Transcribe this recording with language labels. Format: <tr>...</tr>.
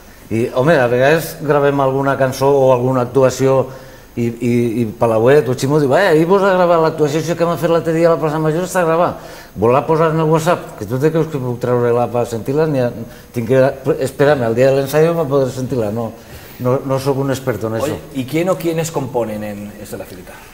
<es>Y, hombre, a veces grabemos alguna canción o alguna actuación...</es> <ca>I per la web, tu, Chimo, diu, ahir vos ha gravat l'actuació, això que m'ha fet l'altre dia a la plaça Major, està gravat. Vol la posar en el WhatsApp? Que tu te creus que puc treure-la per sentir-la? Espera'm, el dia de l'ensayo</ca> <es>me podré</es> <ca>sentir-la. No soc un experto en això.</ca> <es>I quién o quiénes componen en Es de la Fileta?</es>